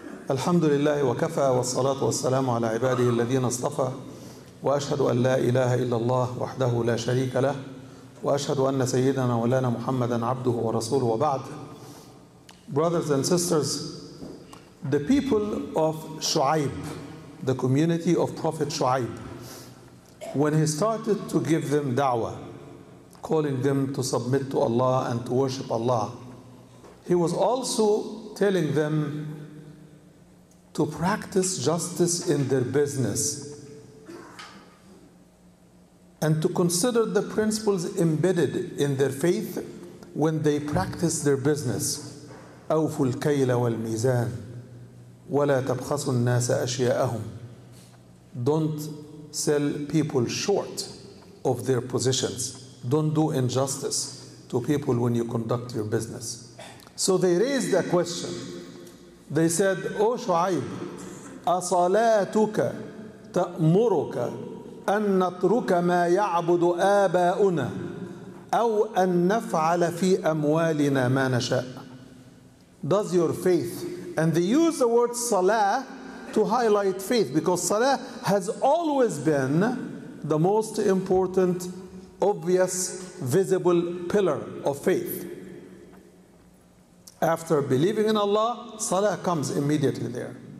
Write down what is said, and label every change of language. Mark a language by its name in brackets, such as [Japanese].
[Arabic] الحمد لله وكفى والصلاة والسلام على عباده الذين اصطفى وأشهد أن لا إله إلا الله وحده لا شريك له وأشهد أن سيدنا مولانا محمدا عبده ورسوله وبعد. [English] Brothers and sisters, the people of Shu'aib, the community of Prophet Shu'aib, when he started to give them da'wah, calling them to submit to Allah and to worship Allah, he was also telling them to practice justice in their business and to consider the principles embedded in their faith when they practice their business. [Arabic] أوفوا الكيل والميزان ولا تبخسوا الناس أشياءهم. [English] Don't sell people short of their positions. Don't do injustice to people when you conduct your business. So they raised a question. They said, O Shu'aib, [Arabic] أَصَلَاتُكَ تَأْمُرُكَ أَن نَتْرُكَ مَا يَعْبُدُ آبَاؤُنَا أَوْ أَن نَفْعَلَ فِي أَمْوَالِنَا مَا نَشَاءَ. [English] Does your faith, and they use the word salah to highlight faith, because salah has always been the most important, obvious, visible pillar of faith. After believing in Allah, salah comes immediately there.